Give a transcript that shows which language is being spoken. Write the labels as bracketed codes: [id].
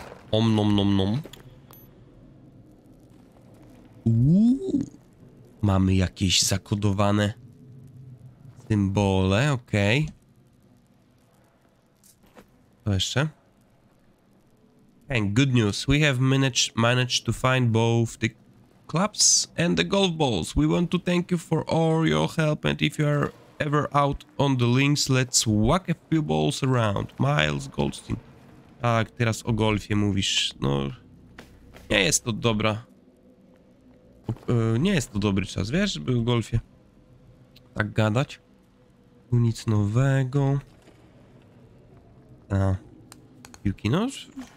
[pl] Om nom nom nom. Mamy jakieś zakodowane symbole, okej. Co jeszcze? [en] And good news, we have managed to find both the clubs and the golf balls. We want to thank you for all your help, and if you are ever out on the links, let's whack a few balls around. Miles Goldstein. [pl] Tak, teraz o golfie mówisz. No, nie jest to dobra. Nie jest to dobry czas, wiesz, żeby o golfie tak gadać. Tu nic nowego. A, piłki noż?